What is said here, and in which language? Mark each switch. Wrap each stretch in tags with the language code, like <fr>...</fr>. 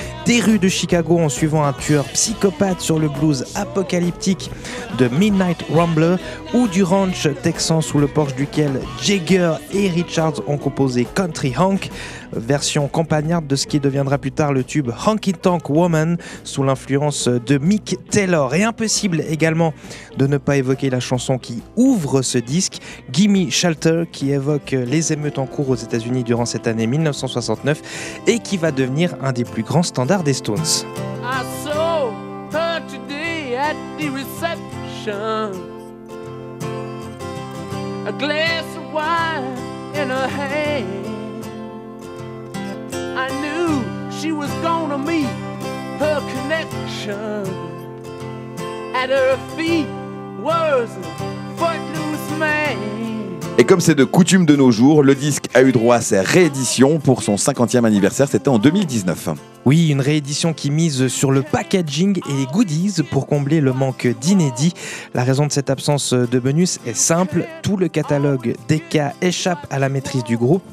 <fr>des rues de Chicago en suivant un tueur psychopathe sur le blues apocalyptique de Midnight Rambler, ou du ranch texan sous le porche duquel Jagger et Richards ont composé Country Honk, version campagnarde de ce qui deviendra plus tard le tube Honky Tonk Woman sous l'influence de Mick Taylor. Et impossible également de ne pas évoquer la chanson qui ouvre ce disque, Gimme Shelter, qui évoque les émeutes en cours aux États-Unis durant cette année 1969 et qui va devenir un des plus grands standards des Stones.</fr> <en>I saw her today at the reception. A glass of wine in her hand. I knew she was gonna meet her connection. At her feet was a footloose man.</en> <fr>Et comme c'est de coutume de nos jours, le disque a eu droit à ses rééditions pour son 50e anniversaire, c'était en 2019. Oui, une réédition qui mise sur le packaging et les goodies pour combler le manque d'inédits. La raison de cette absence de bonus est simple, tout le catalogue DK échappe à la maîtrise du groupe.</fr>